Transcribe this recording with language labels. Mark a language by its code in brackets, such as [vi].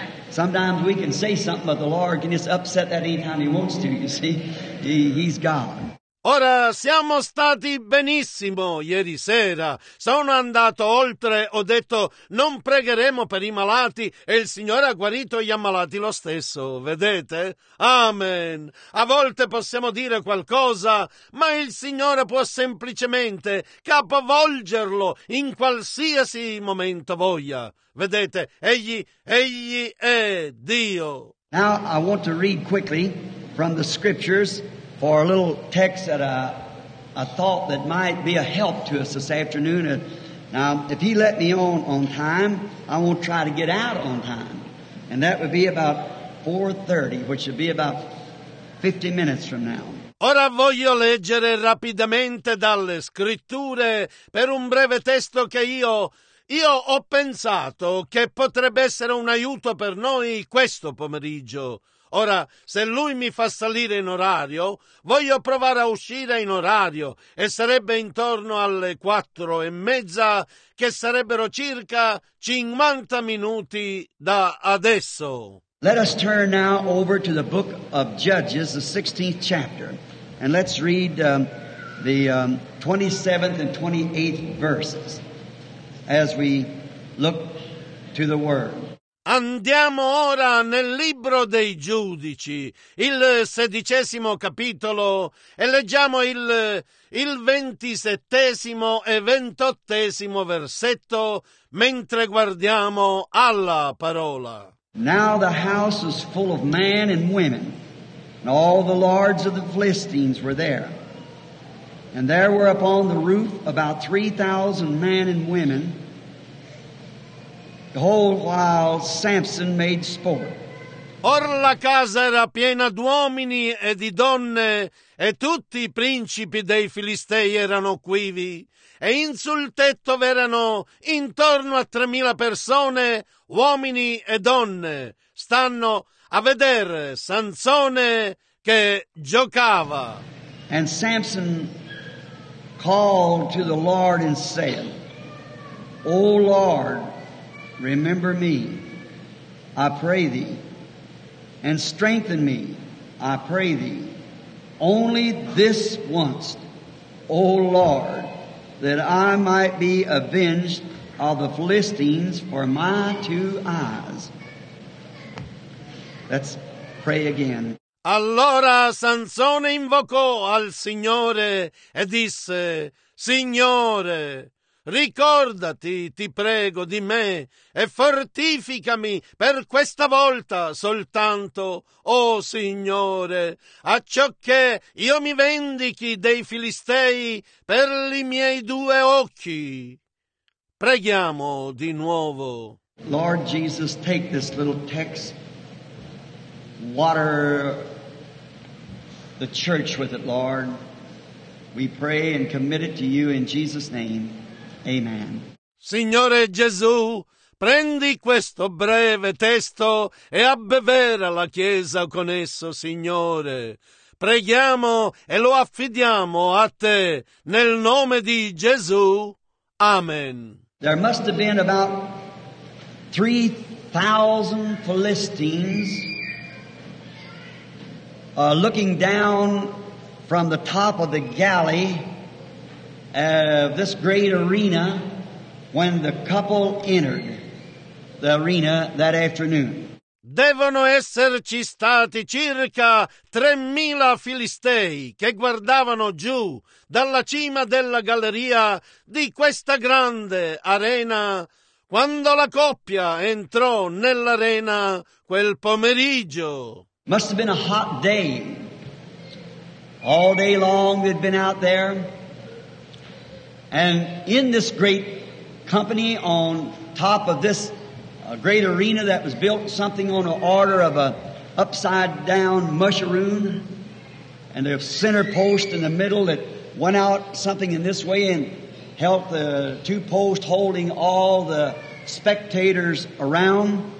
[en] Sometimes we can say something, but the Lord can just upset that anytime he wants to, you see. He's God. [it] Ora siamo stati benissimo ieri sera, sono andato oltre, ho detto non pregheremo per i malati e il Signore ha guarito gli ammalati lo stesso, vedete? Amen! A volte possiamo dire qualcosa, ma il Signore può semplicemente capovolgerlo in qualsiasi momento voglia, vedete? Egli è Dio. [en] Now I want to read quickly from the scriptures. For a little text that I thought that might be a help to us this afternoon. Now, if he let me on time, I won't try to get out on time. And that would be about 4:30, which would be about 50 minutes from now. [it] Ora voglio leggere rapidamente dalle scritture per un breve testo che io ho pensato che potrebbe essere un aiuto per noi questo pomeriggio. Ora, se lui mi fa salire in orario, voglio provare a uscire in orario e sarebbe intorno alle 4:30, che sarebbero circa 50 minuti da adesso. [en] Let us turn now over to the book of Judges, the 16th chapter, and let's read the 27th and 28th verses as we look to the Word. [it] Andiamo ora nel libro dei Giudici, il 16° capitolo, e leggiamo il 27° e 28° versetto mentre guardiamo alla parola. [en] Now the house was full of men and women, and all the lords of the Philistines were there. And there were upon the roof about 3,000 men and women. The whole while Samson made sport. [it] Or la casa era piena d'uomini e di donne, e tutti i principi dei Filistei erano quivi, e in sul tetto v'erano intorno a 3,000 persone, uomini e donne, stanno a vedere Sansone che giocava. [en] And Samson called to the Lord and said, O Lord, remember me, I pray thee, and strengthen me, I pray thee, only this once, O Lord, that I might be avenged of the Philistines for my two eyes. Let's pray again. [it] Allora Sansone invocò al Signore e disse, Signore, ricordati, ti prego, di me e fortificami per questa volta soltanto, oh Signore, acciò che io mi vendichi dei Filistei per i miei due occhi. Preghiamo di nuovo. [en] Lord Jesus, take this little text, water the church with it, Lord. We pray and commit it to you in Jesus' name. Amen. [it] Signore Gesù, prendi questo breve testo e abbevera la Chiesa con esso, Signore. Preghiamo e lo affidiamo a te, nel nome di Gesù. Amen. [en] There must have been about 3,000 Philistines looking down from the top of the galley of this great arena when the couple entered the arena that afternoon. [it] Devono esserci stati circa 3,000 filistei che guardavano giù dalla cima della galleria di questa grande arena quando la coppia entrò nell'arena quel pomeriggio. [en] Must have been a hot day. All day long they'd been out there. And in this great company on top of this a great arena that was built, something on the order of a upside-down mushroom, and a center post in the middle that went out something in this way and held the two posts holding all the spectators around.